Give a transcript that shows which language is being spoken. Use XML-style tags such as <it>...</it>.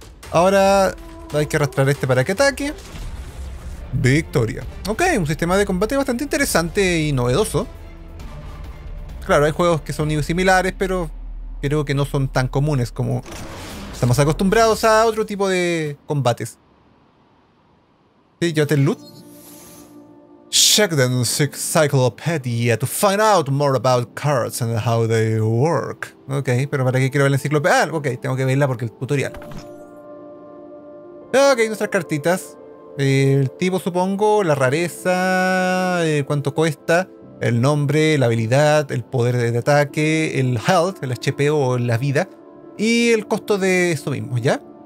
<es>Ahora hay que arrastrar este para que ataque. Victoria. Ok, un sistema de combate bastante interesante y novedoso. Claro, hay juegos que son similares, pero creo que no son tan comunes como estamos acostumbrados a otro tipo de combates. Sí, llévate el loot.</es> <en>Check the encyclopedia to find out more about cards and how they work.</en> <es>Ok, pero ¿para qué quiero ver la enciclopedia? Ah, ok, tengo que verla porque el tutorial. Ok, nuestras cartitas. El tipo, supongo, la rareza, cuánto cuesta, el nombre, la habilidad, el poder de ataque, el health, el HP o la vida, y el costo de eso mismo, ¿ya?</es>